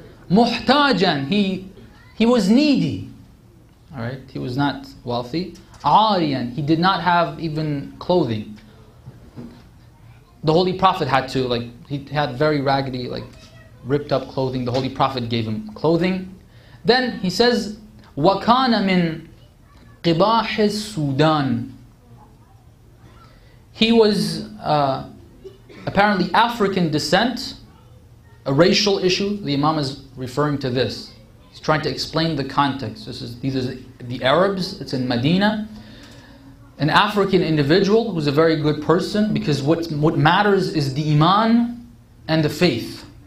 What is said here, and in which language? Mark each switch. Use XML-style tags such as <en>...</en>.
<en>Muhtajan, he was needy. Alright, he was not wealthy. Aryan, he did not have even clothing. The Holy Prophet had to, like, he had very raggedy, like, ripped up clothing. The Holy Prophet gave him clothing. Then he says,</en> <ar>وَكَانَ مِنْ قِبَاحِ السُّودَانِ.</ar> <en>He was apparently African descent, a racial issue. The Imam is referring to this. He's trying to explain the context. These are the Arabs, it's in Medina. An African individual who's a very good person, because what matters is the Iman and the faith.</en>